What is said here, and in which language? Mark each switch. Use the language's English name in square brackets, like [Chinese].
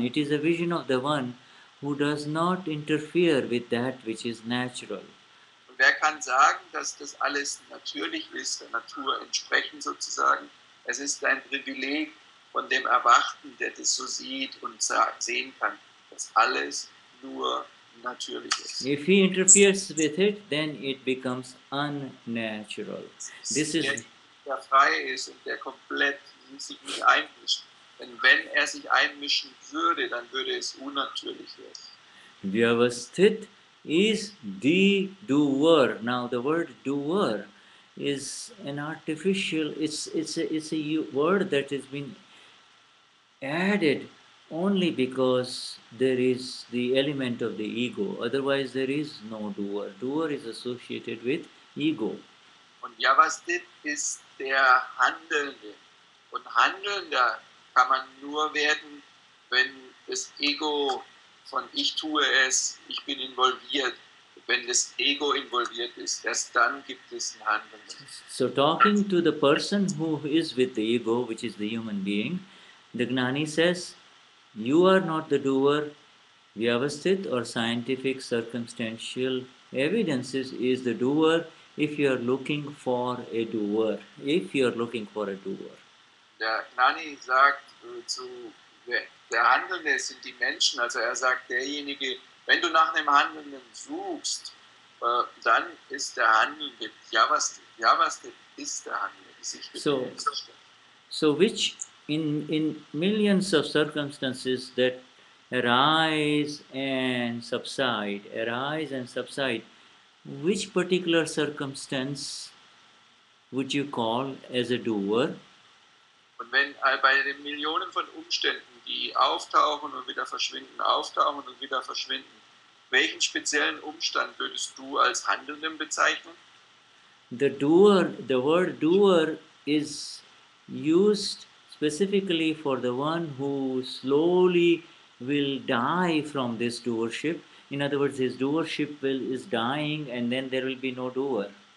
[English] It is a vision of the one who does not interfere with that which is natural. [German] Und wer kann sagen, dass das alles natürlich ist, der Natur entsprechend sozusagen? Es ist ein Privileg von dem Erwachten, der das so sieht und sehen kann, dass alles nur natürlich. [English] If he interferes with it, then it becomes unnatural. This is [German] der frei ist und der komplett sich nicht einmischt, Denn wenn sich einmischen würde, dann würde es unnatürlich werden. [English] Vyavasthit is the doer. Now the word doer is an artificial, it's a word that has been added only because there is the element of the ego. Otherwise there is no doer. Doer is associated with ego. [German] Und Vyavasthit ist der Handelnde. Und Handelnder kann man nur werden, wenn das Ego von ich tue es, ich bin involviert, wenn das Ego involviert ist, erst dann gibt es ein Handeln. [English] So talking to the person who is with the ego, which is the human being, the Gnani says, you are not the doer, Vyavasthit or scientific circumstantial evidences is the doer if you are looking for a doer, if you are looking for a doer. [German] Der Gnani sagt zu der Handelnde sind die Menschen, also er sagt, derjenige, wenn du nach einem Handelnden suchst, dann ist der Handelnde Vyavasthit. Vyavasthit ist der Handelnde. [English] So which in millions of circumstances that arise and subside, which particular circumstance would you call as a doer? [German] Und wenn bei den Millionen von Umständen, die auftauchen und wieder verschwinden, auftauchen und wieder verschwinden, welchen speziellen Umstand würdest du als Handelnden bezeichnen? [English] The doer, the word doer is used specifically for the one who slowly will die from this doership. In other words, his doership is dying and then there will be no doer.